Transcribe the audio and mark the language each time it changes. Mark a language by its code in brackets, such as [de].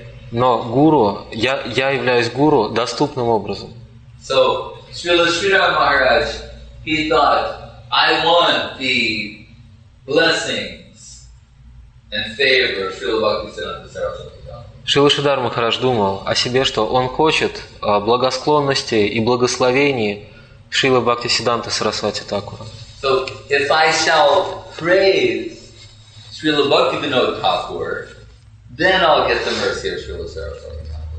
[ru] Но Гуру, я являюсь Гуру доступным образом. [en] So, Srila Sridhar Maharaj, he thought, I want the blessings and favor of Srila Bhaktisiddhanta Saraswati. [ru] Шрила Шридхар Махарадж думал о себе, что он хочет благосклонности и благословений Шрилы Бхактисиддханты Сарасвати Такура. [en] So, if I shall praise Srila Bhaktivinoda Thakur, then I'll get the mercy of Srila Saraswati Thakur.